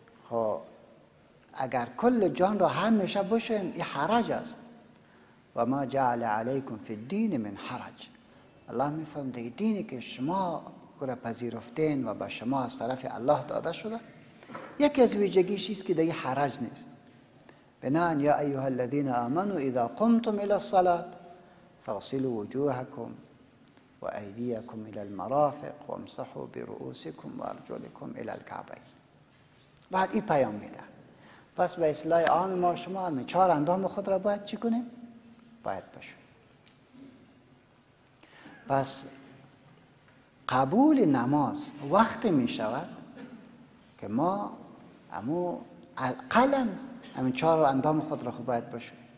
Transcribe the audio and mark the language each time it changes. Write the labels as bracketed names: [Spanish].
[Persian] خب اگر کل جان را همیشه بشویم این حرج است. [Arabic] و ما جعل علیکم فی الدین من حرج. [Persian] الله میفهمد دینی که شما او را پذیرفتین و به شما از طرف الله داده شده، یکی از ویژگیش ایست که دیگه حرج نیست. [Arabic] بنان یا ایها الذين امنوا اذا قمتم الى الصلاه فاغسلوا وجوهكم وايديكم الى المرافق وامسحوا برؤوسكم وارجلكم الى الكعبين. [Persian] بعد این پیام میده. پس به اصطلاح عام ما شما می چهار اندام خود را باید چی کنیم؟ باید بشویم. پس قبول نماز وقتی می شود که ما امو اقلن همین چهار اندام خود را خوب باید باشه.